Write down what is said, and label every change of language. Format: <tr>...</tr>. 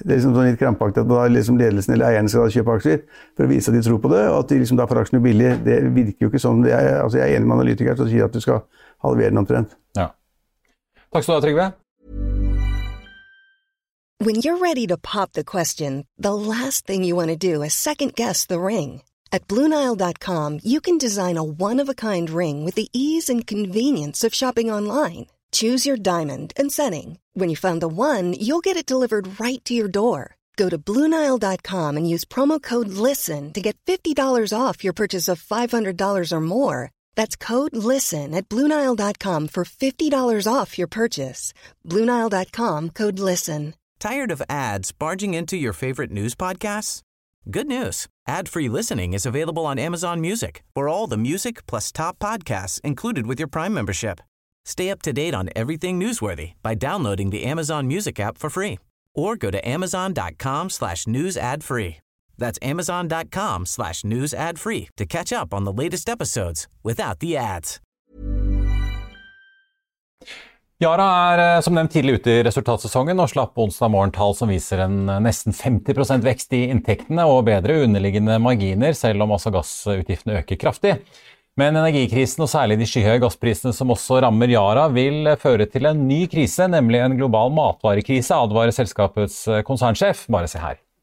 <no>Det er liksom sånn litt krampaktig at da liksom ledelsen eller eierne skal kjøpe aksjer for å vise at de tror på det, og at de liksom da får aksjene billig. Det virker jo ikke sånn. Jeg er enig med analytiker som sier at du skal halvere den omtrent. Ja. Takk skal du ha, Trygve.</no> <en>When you're ready to pop the question, the last thing you want to do is second guess the ring. At BlueNile.com you can design a one-of-a-kind ring with the ease and convenience of shopping online. Choose your diamond and setting. When you find the one, you'll get it delivered right to your door. Go to BlueNile.com and use promo code LISTEN to get $50 off your purchase of $500 or more. That's code LISTEN at BlueNile.com for $50 off your purchase. BlueNile.com, code LISTEN. Tired of ads barging into your favorite news podcasts? Good news. Ad-free listening is available on Amazon Music for all the music plus top podcasts included with your Prime membership. Stay up to date on everything newsworthy by downloading the Amazon Music app for free or go to amazon.com/newsadfree. That's amazon.com/newsadfree to catch up on the latest episodes without the ads.</en> <no>Yara er som nevnt tidlig ute i resultatsesongen og slapp onsdag morgen tall som viser en nesten 50% vekst i inntektene og bedre underliggende marginer selv om også gassutgiftene øker kraftig. Men energikrisen og særlig de skyhøye gassprisene som også rammer Yara vil føre til en ny krise, nemlig en global matvarekrise, advarer selskapets konsernsjef. Bare se her.</no>